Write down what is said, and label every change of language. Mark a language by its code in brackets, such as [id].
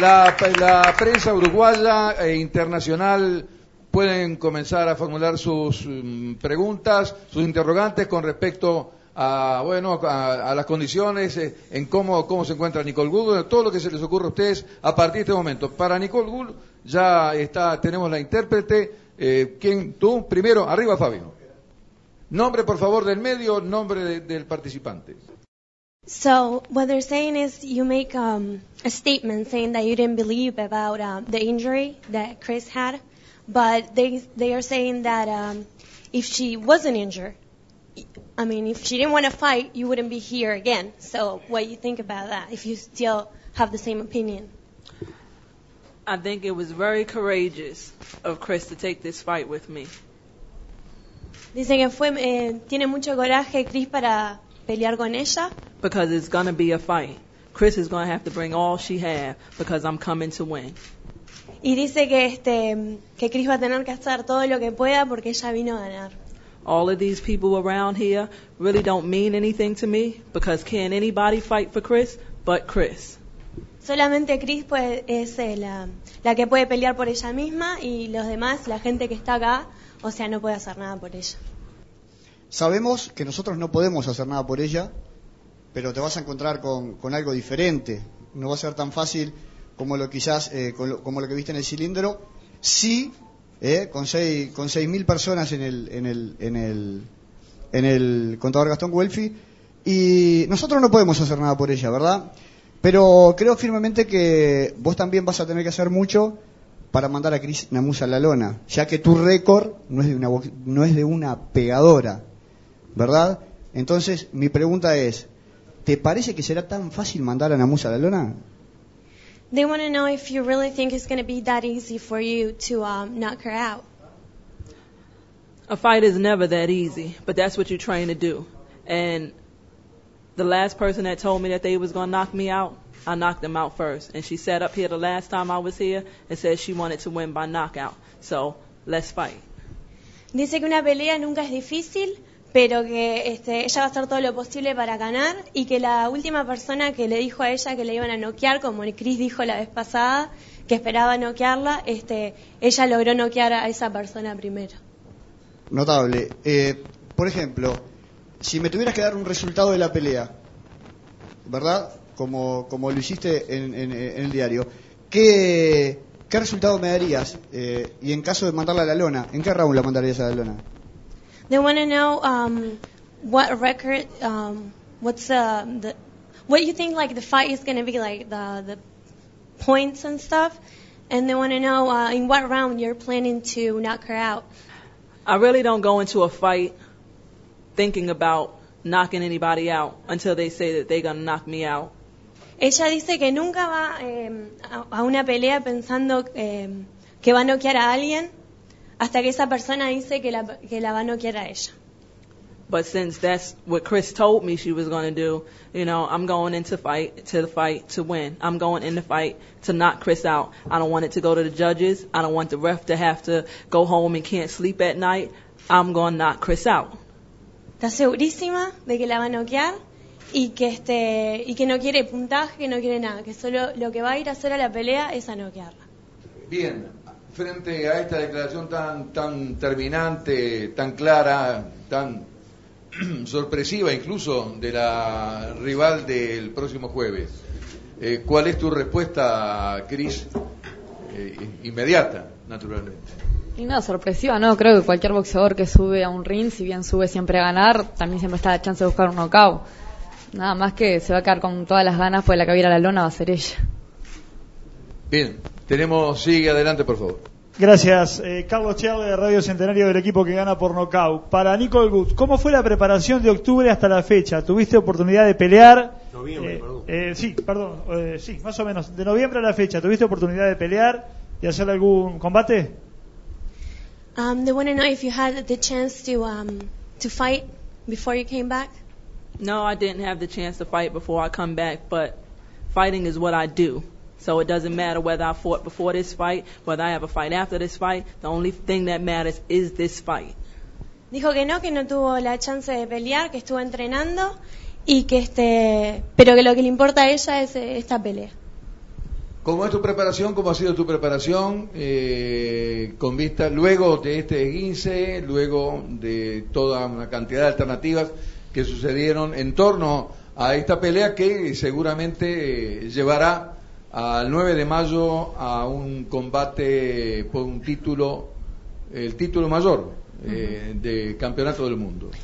[es] La prensa uruguaya e internacional pueden comenzar a formular sus preguntas, sus interrogantes con respecto a las condiciones, en cómo se encuentra Nicole Gould, todo lo que se les ocurra a ustedes a partir de este momento. Para Nicole Gould ya está, tenemos la intérprete. ¿Quién? ¿Tú? Primero, arriba, Fabio. Nombre, por favor, del medio, nombre del participante. [en] So, what they're saying is you make a statement saying that you didn't believe about the injury that Cris had. But they are saying that if she wasn't injured, I mean, if she didn't want to fight, you wouldn't be here again. So what do you think about that, if you still have the same opinion? I think it was very courageous of Cris to take this fight with me. [es] Dicen que fue tiene mucho coraje Cris para pelear con ella. [en] Because it's going to be a fight. Cris is going to have to bring all she has because I'm coming to win. [es] Y dice que que Cris va a tener que hacer todo lo que pueda porque ella vino a ganar. [en] All of these people around here really don't mean anything to me because can anybody fight for Cris but Cris? [es] Solamente Cris es la que puede pelear por ella misma y los demás, la gente que está acá, o sea, no puede hacer nada por ella. Sabemos que nosotros no podemos hacer nada por ella, pero te vas a encontrar con algo diferente. No va a ser tan fácil como lo quizás como lo que viste en el cilindro, sí, con 6.000 personas en el contador Gastón Guelfi, y nosotros no podemos hacer nada por ella, ¿verdad? Pero creo firmemente que vos también vas a tener que hacer mucho para mandar a Cris Namus a la lona, ya que tu récord no es de una pegadora, ¿verdad? Entonces mi pregunta es, ¿te parece que será tan fácil mandar a Namus a la lona? [en] They want to know if you really think it's going to be that easy for you to knock her out. A fight is never that easy, but that's what you train to do. And the last person that told me that they was going to knock me out, I knocked them out first. And she sat up here the last time I was here and said she wanted to win by knockout. So, let's fight. [es] Dice que una pelea nunca es difícil, pero que ella va a hacer todo lo posible para ganar y que la última persona que le dijo a ella que le iban a noquear, como Chris dijo la vez pasada, que esperaba noquearla, ella logró noquear a esa persona primero. Notable. Por ejemplo, si me tuvieras que dar un resultado de la pelea, ¿verdad? Como lo hiciste en el diario, ¿qué resultado me darías? Y en caso de mandarla a la lona, ¿en qué round la mandarías a la lona? [en] They want to know what record, what's the, what you think like the fight is going to be like, the points and stuff, and they want to know in what round you're planning to knock her out. I really don't go into a fight thinking about knocking anybody out until they say that they're going to knock me out. [es] Ella dice que nunca va a una pelea pensando que va a noquear a alguien hasta que esa persona dice que la va a noquear a ella. [en] But since that's what Chris told me she was going to do, you know, I'm going into fight to the fight to win. I'm going in the fight to knock Chris out. I don't want it to go to the judges. I don't want the ref to have to go home and can't sleep at night. I'm going to knock Chris out. [es] ¿Estás segurísima de que la va a noquear? Y que y que no quiere puntaje, que no quiere nada, que solo lo que va a ir a hacer a la pelea es a noquearla. Bien, frente a esta declaración tan terminante, tan clara, tan sorpresiva incluso de la rival del próximo jueves, ¿cuál es tu respuesta, Cris? Inmediata, naturalmente. Y no, sorpresiva no, creo que cualquier boxeador que sube a un ring, si bien sube siempre a ganar, también siempre está la chance de buscar un knockout. Nada más que se va a quedar con todas las ganas, pues la que va a ir a la lona va a ser ella. Bien, sigue adelante, por favor. Gracias. Carlos Chiale, de Radio Centenario, del equipo que gana por nocaut. Para Nicole Good, ¿cómo fue la preparación de octubre hasta la fecha? ¿Tuviste oportunidad de pelear? Sí, más o menos. De noviembre a la fecha, ¿tuviste oportunidad de pelear y hacer algún combate? [en] They want to know if you had the chance to fight before you came back. No, I didn't have the chance to fight before I come back, but fighting is what I do. So it doesn't matter whether I fought before this fight, whether I have a fight after this fight. The only thing that matters is this fight. [es] Dijo que no tuvo la chance de pelear, que estuvo entrenando, y que pero que lo que le importa a ella es esta pelea. ¿Cómo es tu preparación? ¿Cómo ha sido tu preparación con vista luego de este esguince, luego de toda una cantidad de alternativas que sucedieron en torno a esta pelea que seguramente llevará al 9 de mayo a un combate por un título, el título mayor de campeonato del mundo?